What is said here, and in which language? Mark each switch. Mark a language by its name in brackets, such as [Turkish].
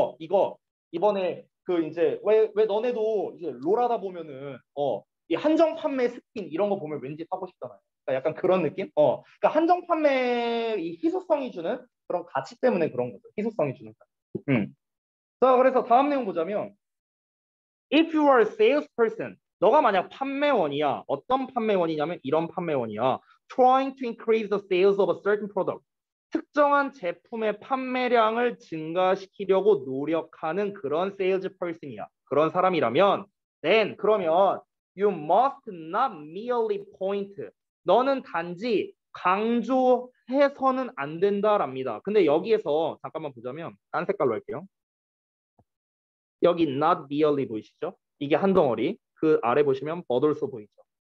[Korean] 이거 이번에 그 이제 왜 너네도 이제 롤하다 보면은 이 한정 판매 스킨 이런 거 보면 왠지 사고 싶잖아요. 그러니까 약간 그런 느낌? 그러니까 한정 판매 이 희소성이 주는 그런 가치 때문에 그런 거죠. 희소성이 주는 가치. 자, 그래서 다음 내용 보자면 [English] If you are a salesperson, [Korean] 너가 만약 판매원이야. 어떤 판매원이냐면 이런 판매원이야. [English] Trying to increase the sales of a certain product. [Korean] 특정한 제품의 판매량을 증가시키려고 노력하는 그런 salesperson이야. 그런 사람이라면, [English] then, [Korean] 그러면, [English] you must not merely point. [Korean] 너는 단지 강조해서는 안 된다랍니다. 근데 여기에서, 잠깐만 보자면, 딴 색깔로 할게요. 여기 [English] not merely [Korean] 보이시죠? 이게 한 덩어리. 그 아래 보시면 버돌소 보이죠?